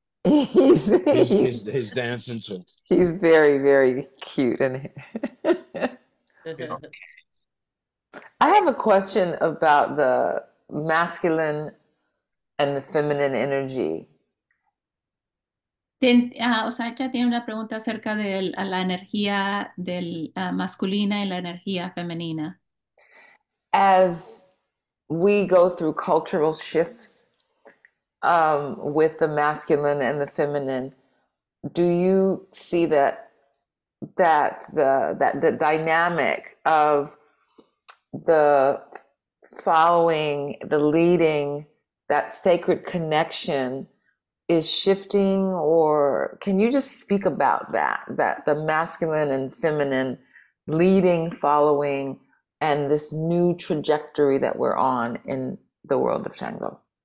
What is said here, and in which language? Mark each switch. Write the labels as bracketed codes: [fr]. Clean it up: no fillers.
[en] He's dancing too. He's very, very cute. And I have a question about the masculine and the feminine energy. [es] O sea, ella tiene una pregunta acerca de la energía del masculina y la energía femenina. [en] As we go through cultural shifts with the masculine and the feminine, do you see that the dynamic of the following, the leading, that sacred connection is shifting, or can you just speak about that the masculine and feminine leading, following, and this new trajectory that we're on in the world of tango?